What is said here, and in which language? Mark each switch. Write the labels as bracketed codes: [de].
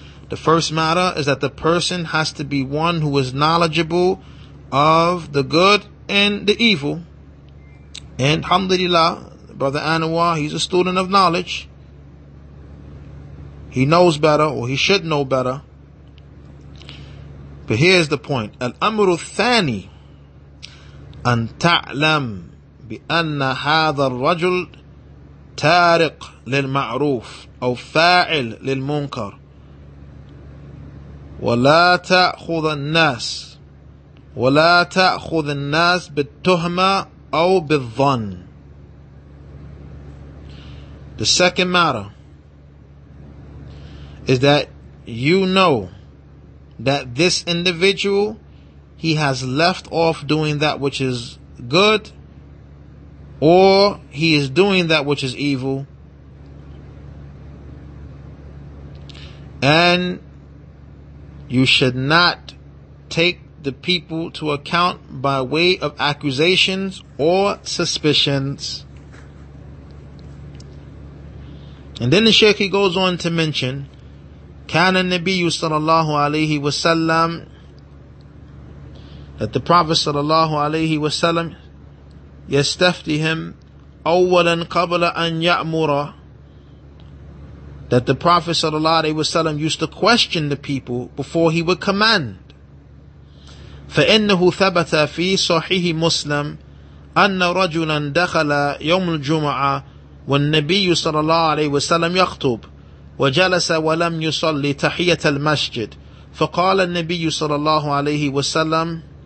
[en] The first matter is that the person has to be one who is knowledgeable of the good and the evil. And alhamdulillah, brother Anwar, he's a student of knowledge. He knows better, or he should know better. But here's the point. [ar] الأمر الثاني أن تعلم بأن هذا الرجل تارق للمعروف أو فاعل للمنكر ولا تأخذ الناس ولا تأخذ الناس بالتهمة أو بالظن. [en] The second matter is that you know that this individual, he has left off doing that which is good, or he is doing that which is evil, and you should not take the people to account by way of accusations or suspicions. And then the Sheikh, he goes on to mention, [ar] كان النبي صلى الله عليه وسلم, [en] that the Prophet صلى الله عليه وسلم [ar] يستفتي [en] him [ar] أولا قبل أن يأمر, [en] that the Prophet صلى الله عليه وسلم used to question the people before he would command. [ar] فإنه ثبت في صحيح مسلم أن رجلا دخل يوم الجمعة والنبي صلى الله عليه وسلم يخطب وجلس ولم يصلي تحية المسجد فقال النبي صلى الله عليه وسلم